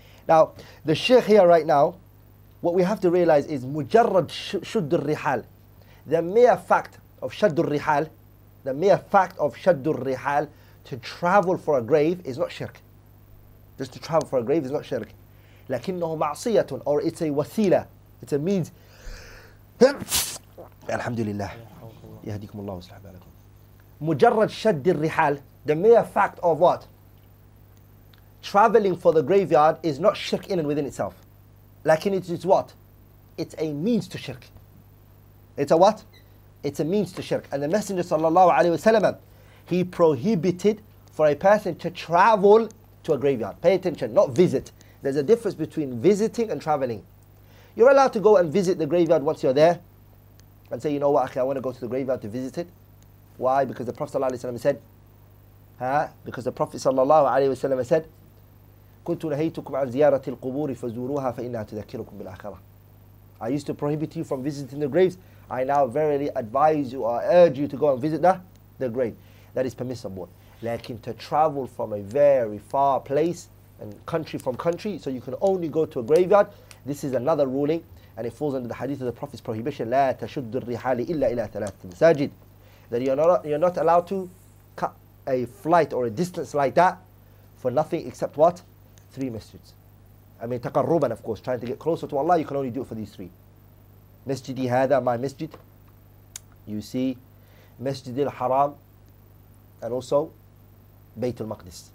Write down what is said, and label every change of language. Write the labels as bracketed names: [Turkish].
[English] Now, the Sheikh here right now, what we have to realize is [Arabic] مجرد شد الرحال. [English] The mere fact of [Arabic] شد الرحال [English] to travel for a grave is not shirk. Just to travel for a grave is not shirk. [Arabic] لكنه معصية [English] or it's a [Arabic] وسيلة. [English] It's a means. الحمد لله. [Arabic] يهديكم الله ويصلح بالكم. مجرد شد الرحال, [English] the mere fact of what? Traveling for the graveyard is not shirk in and within itself. Lakin it is what? It's a means to shirk. It's a what? It's a means to shirk. And the Messenger sallallahu alayhi wa sallam, he prohibited for a person to travel to a graveyard. Pay attention, not visit. There's a difference between visiting and traveling. You're allowed to go and visit the graveyard once you're there and say, you know what, I want to go to the graveyard to visit it. Why? Because the Prophet sallallahu alayhi wa sallam said, Because the Prophet sallallahu alayhi wa sallam said, [Arabic] كنت نهيتكم عن زيارة القبور فزوروها فإنها تذكركم بالآخرة. [English] I used to prohibit you from visiting the graves. I now verily advise you, or urge you to go and visit the grave. That is permissible. لكن to travel from a very far place and country from country, so you can only go to a graveyard. This is another ruling, and it falls under the hadith of the Prophet's prohibition. [Arabic] لا تشد الرحال إلا إلى ثلاثة مساجد. [English] That you're not allowed to cut a flight or a distance like that for nothing except what? Three masjids. I mean, taqarruban, of course, trying to get closer to Allah, you can only do it for these three. Masjidi hadha, my masjid. You see, Masjid al-Haram, and also Bayt al-Maqdis.